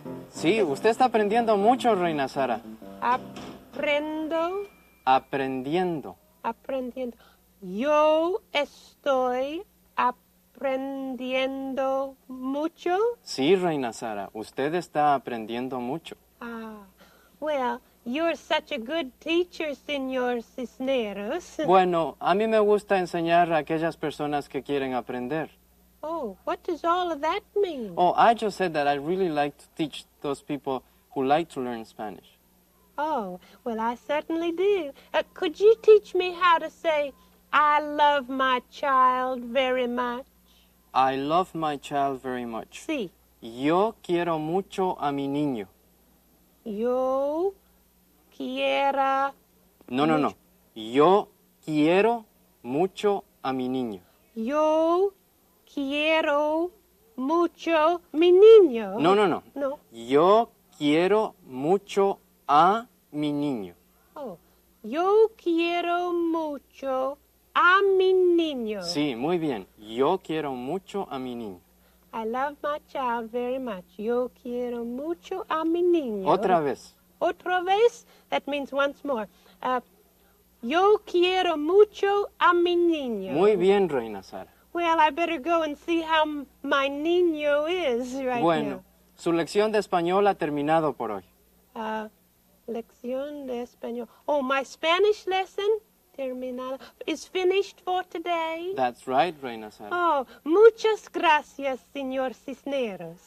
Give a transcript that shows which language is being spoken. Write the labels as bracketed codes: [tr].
[es] Sí, usted está aprendiendo mucho, Reina Sara. Aprendo. Aprendiendo. Aprendiendo. Yo estoy aprendiendo mucho? Sí, Reina Sara, usted está aprendiendo mucho. [en] Ah, well, you're such a good teacher, Señor Cisneros. [es] Bueno, a mí me gusta enseñar a aquellas personas que quieren aprender. [en] Oh, what does all of that mean? Oh, I just said that I really like to teach those people who like to learn Spanish. Oh, well, I certainly do. Could you teach me how to say, I love my child very much? I love my child very much. [es] Sí. Yo quiero mucho a mi niño. Yo quiero. No, no, no. Yo quiero mucho a mi niño. Yo quiero mucho mi niño. No, no, no. No. Yo quiero mucho a mi niño. Oh. Yo quiero mucho a mi niño. Sí, muy bien. Yo quiero mucho a mi niño. [en] I love my child very much. [es] Yo quiero mucho a mi niño. Otra vez. Otra vez? [en] That means once more. [es] Yo quiero mucho a mi niño. Muy bien, Reina Sara. [en] Well, I better go and see how my niño is right [es] bueno, [en] now. [es] Bueno, su lección de español ha terminado por hoy. Lección de español. [en] Oh, my Spanish lesson? Terminado. Is finished for today. That's right, Reina Sara. [es] Oh, muchas gracias, Señor Cisneros.